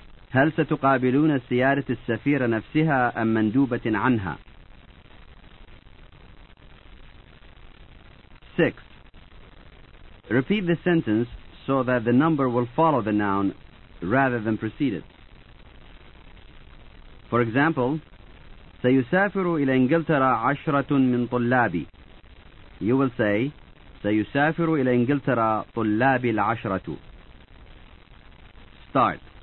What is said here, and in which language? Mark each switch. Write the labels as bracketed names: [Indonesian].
[Arabic] هل ستقابلون سيارة السفير نفسها أم مندوبة عنها؟ 6. [English] Repeat the sentence so that the number will follow the noun rather than precede it. For example, [Arabic] سيسافر إلى إنجلترا عشرة من طلابي. [English] You will say, [Arabic] سيسافر إلى إنجلترا طلابي العشرة. [English] Start.